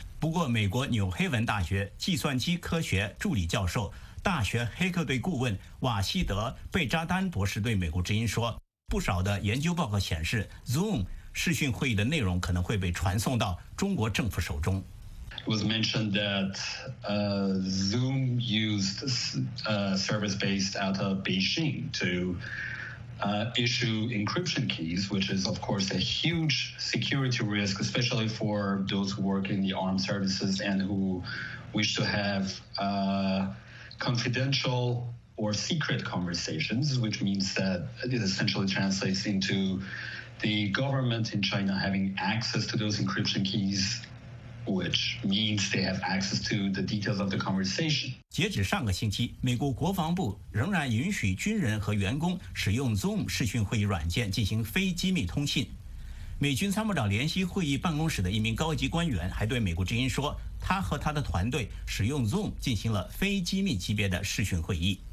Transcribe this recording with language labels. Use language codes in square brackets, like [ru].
[zh] 不过美国纽黑文大学计算机科学助理教授、大学黑客队顾问瓦西德·贝扎丹博士对美国之音说，不少的研究报告显示 Zoom 视讯会议的内容可能会被传送到中国政府手中。 [en] It was mentioned that Zoom used a service based out of Beijing to issue encryption keys, which is of course a huge security risk, especially for those who work in the armed services and who wish to have confidential or secret conversations, which means that it essentially translates into the government in China having access to those encryption keys, which means they have access to the details of the conversation. [zh] 截止上个星期，美国国防部仍然允许军人和员工使用 Zoom 视讯会议软件进行非机密通信。美军参谋长联席会议办公室的一名高级官员还对美国之音说，他和他的团队使用 Zoom 进行了非机密级别的视讯会议。